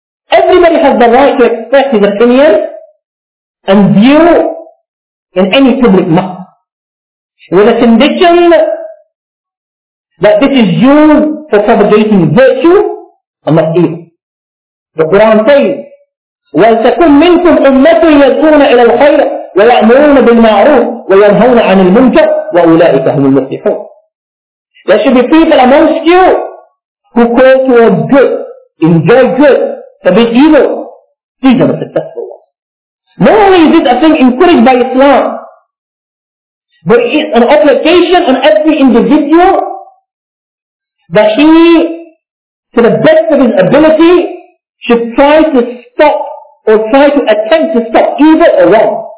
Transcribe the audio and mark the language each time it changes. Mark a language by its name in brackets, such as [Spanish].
[English] Everybody has the right to express his opinion and view in any public matter, with a condition that this is used for propagating virtue and not evil. The Quran says, [Arabic] وَلْتَكُمْ مِنْكُمْ أُمَّةٌ يَدْعُونَ إِلَى الْخَيْرَ وَيَأْمُرُونَ بِالْمَعْرُوفِ وَيَنْهَوْنَ عَنِ الْمُنْكَرِ وَأُولَٰئِكَ هُمُ الْمُفْلِحُونَ. [English] There should be people amongst you who call towards good, enjoy good, forbid evil. These are the successful ones. Not only is this a thing encouraged by Islam, but it's an obligation on every individual that he, to the best of his ability, should try to stop or try to attempt to stop evil or wrong.